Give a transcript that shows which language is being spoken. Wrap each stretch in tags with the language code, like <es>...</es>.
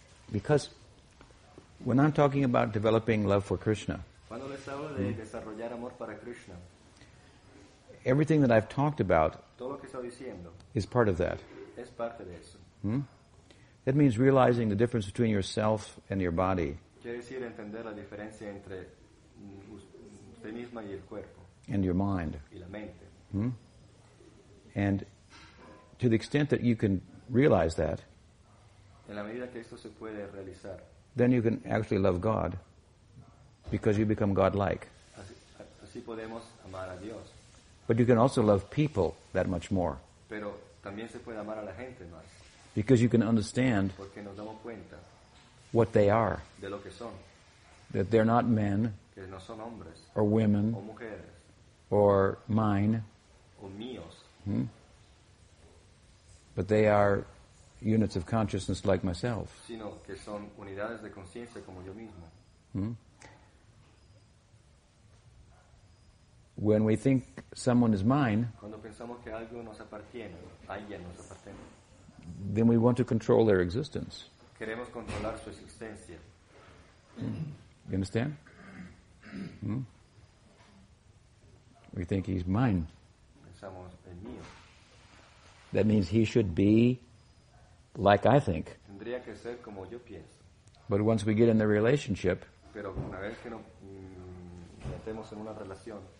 <en>Because when I'm talking about developing love for Krishna,</en> <es>cuando les hablo de desarrollar amor para Krishna,</es> <en>everything that I've talked about,</en> <es>todo lo que estoy diciendo,</es> <en>is part of that.</en> <es>Es parte de eso.</es> <en>That means realizing the difference between yourself and your body.</en> <es>Quiere decir entender la diferencia entre usted misma y el cuerpo.</es> <en>And your mind.</en> <es>Y la mente.</es> <en>And to the extent that you can realize that,</en> <es>en la medida que esto se puede realizar,</es> <en>then you can actually love God because you become God-like.</en> <es>Así podemos amar a Dios.</es> <en>But you can also love people that much more.</en> <es>Pero también se puede amar a la gente más.</es> <en>Because you can understand,</en> <es>porque nos damos cuenta,</es> <en>what they are.</en> <es>De lo que son.</es> <en>That they're not men,</en> <es>que no son hombres,</es> <en>or women,</en> <es>o mujeres,</es> <en>or mine,</en> <es>o míos.</es> <en>But they are units of consciousness like myself.</en> <es>Sino que son unidades de conciencia como yo mismo.</es> <en>When we think someone is mine,</en> <es>cuando pensamos que algo nos appartiene, alguien nos appartiene,</es> <en>then we want to control their existence.</en> <es>Queremos controlar su existencia.</es> <en>You understand? We think he's mine.</en> <es>Pensamos en mío.</es> <en>That means he should be like I think.</en> <es>Tendría que ser como yo pienso.</es> <en>But once we get in the relationship,</en> <es>pero una vez que metemos en una relación,</es>